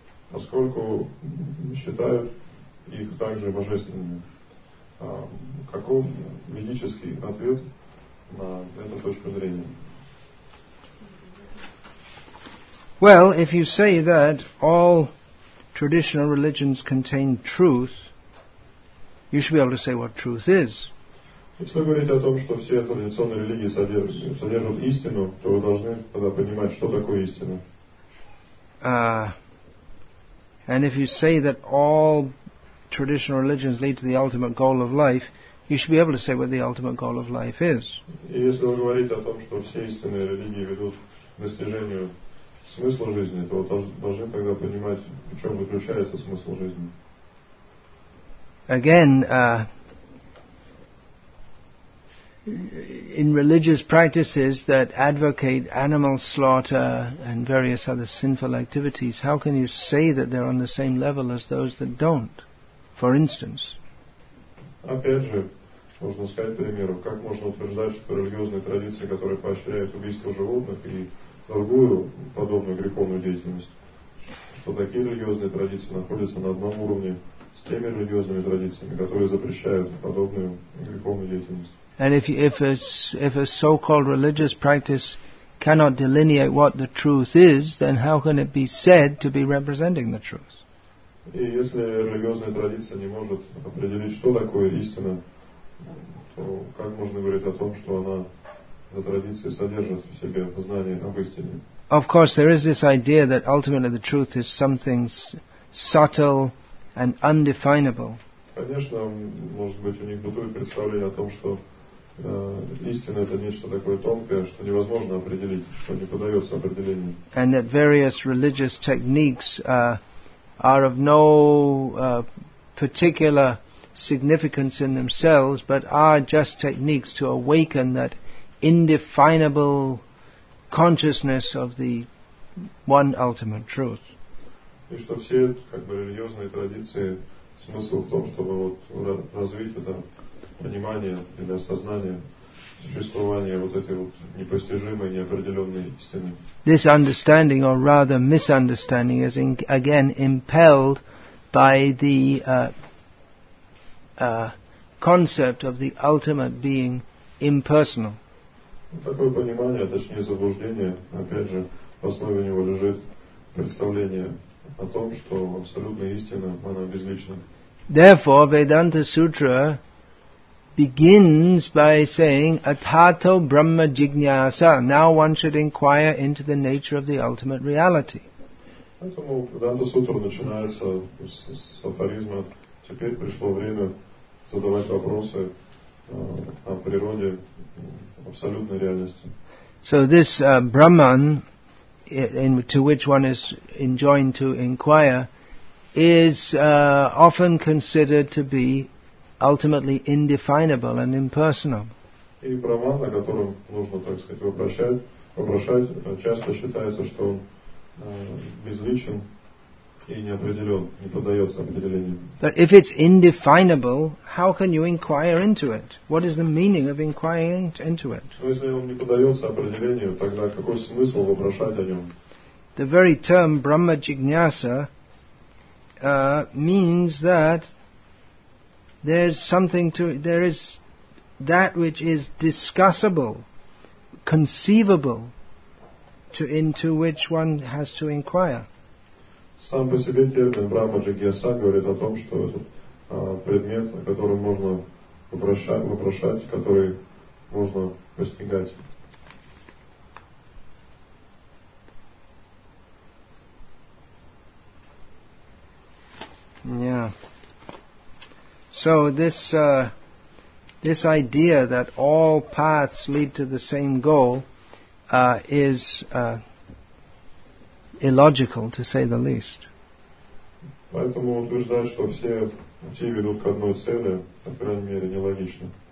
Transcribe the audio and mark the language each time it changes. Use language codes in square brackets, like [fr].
[ru] Поскольку считают их также божественными. Каков ведический ответ на эту точку зрения? [en] Well, if you say that all traditional religions contain truth, you should be able to say what truth is. [ru] Если говорить о том, что все традиционные религии содержат истину, то вы должны тогда понимать, что такое истина. [en] And if you say that all traditional religions lead to the ultimate goal of life, you should be able to say what the ultimate goal of life is. [ru] Если вы говорите о том, что все истинные религии ведут к достижению смысла жизни, то вы должны тогда понимать, в чем заключается смысл жизни. [en] Again, in religious practices that advocate animal slaughter and various other sinful activities, how can you say that they're on the same level as those that don't, for instance? [ru] Опять же, можно сказать, к примеру, как можно утверждать, что религиозные традиции, которые поощряют убийство животных и другую подобную греховную деятельность, что такие религиозные традиции находятся на одном уровне с теми религиозными традициями, которые запрещают подобную греховную деятельность? [en] And if a so-called religious practice cannot delineate what the truth is, then how can it be said to be representing the truth? [ru] И если религиозная традиция не может определить, что такое истина, то как можно говорить о том, что она, эта традиция, содержит в себе знание об истине? [en] Of course, there is this idea that ultimately the truth is something subtle and undefinable. [ru] Конечно, может быть, у них бытует представление о том, что истина — это нечто такое тонкое, что невозможно определить, что не подается определению. [en] And that various religious techniques are of no particular significance in themselves, but are just techniques to awaken that indefinable consciousness of the one ultimate truth. [ru] И что все, как бы, религиозные традиции, смысл в том, чтобы вот развить это понимание или осознание существования вот этой вот непостижимой, неопределенной истины. [en] This understanding, or rather misunderstanding, is again impelled by the concept of the ultimate being impersonal. [ru] Такое понимание, точнее заблуждение, опять же, в основе него лежит представление о том, что абсолютная истина, она безлична. [en] Therefore, Vedanta Sutra begins by saying, [sa] Atato Brahma Jignyasa. [en] Now one should inquire into the nature of the ultimate reality. [ru] Поэтому Vedanta Sutra начинается с афоризма. Теперь пришло время задавать вопросы о природе абсолютной реальности. [en] So this Brahman, to which one is enjoined to inquire, is often considered to be ultimately indefinable and impersonal. [ru] И Брахман, на котором нужно, так сказать, вопрошать, часто считается, что он безличен и неопределен, не поддается определению. [en] But if it's indefinable, how can you inquire into it? What is the meaning of inquiring into it? [ru] Но если он не поддается определению, тогда какой смысл вопрошать о нем? [en] The very term Brahma Jignyasa means that there is that which is discussable, conceivable, into which one has to inquire. [ru] Сам по себе термин Брахма Джигьяса говорит о том, что этот предмет, о котором можно вопрошать, который можно постигать. Yeah. [en] So this idea that all paths lead to the same goal is illogical, to say the least. [ru] Поэтому утверждать, что все пути ведут к одной цели, по крайней мере, нелогично.